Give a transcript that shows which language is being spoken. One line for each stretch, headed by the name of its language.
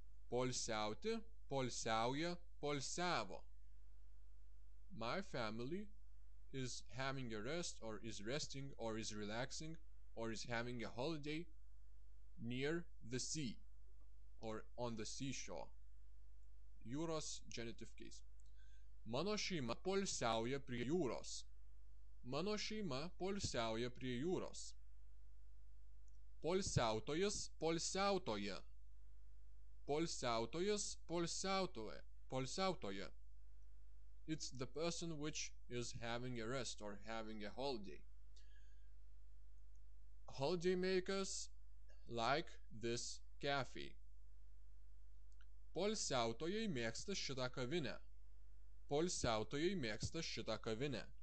Lithuanian: Poilsiauti, poilsiauja, poilsiavo.
English: My family is having a rest or is resting or is relaxing or is having a holiday near the sea or on the seashore. Jūros genitive case.
Lithuanian: Mano šeima poilsiauja prie jūros. Mano šeima poilsiauja prie jūros. Poilsiautojas poilsiautoja. Poilsiautojas poilsiautoja. Poilsiautoja.
English: It's the person which is having a rest or having a holiday. Holiday makers like this cafe.
Lithuanian: Poilsiautojai mėgsta šitą kavinę. Poilsiautojai mėgsta šitą kavinę.